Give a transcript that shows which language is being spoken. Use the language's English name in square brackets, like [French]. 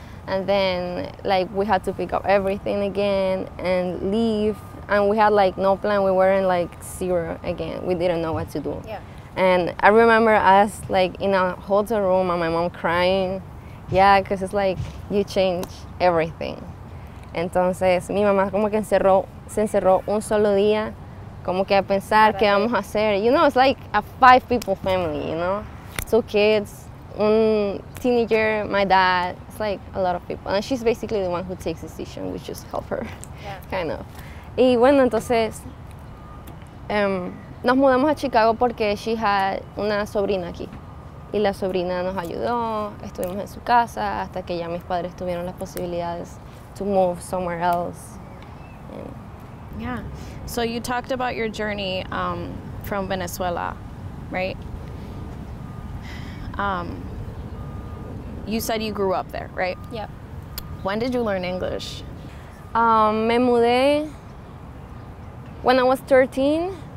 [English] And then like we had to pick up everything again and leave, and we had like no plan. We were in like zero again. We didn't know what to do. Yeah. And I remember us like in a hotel room and my mom crying. Yeah, because it's like you change everything. [Spanish] Entonces mi mamá como que se encerró un solo día. Como que a pensar qué vamos a hacer. [English] You know, it's like a five people family, you know? Two kids, one teenager, my dad. It's like a lot of people. And she's basically the one who takes decisions. We just help her, yeah. Kind of. [Spanish] Y bueno, entonces, nos mudamos a Chicago porque [English] she had [Spanish] una sobrina aquí. Y la sobrina nos ayudó. Estuvimos en su casa hasta que ya mis padres tuvieron las posibilidades [English] to move somewhere else. Yeah, so you talked about your journey from Venezuela, right? You said you grew up there, right? Yep. When did you learn English? [Spanish] Me mudé [English] when I was 13.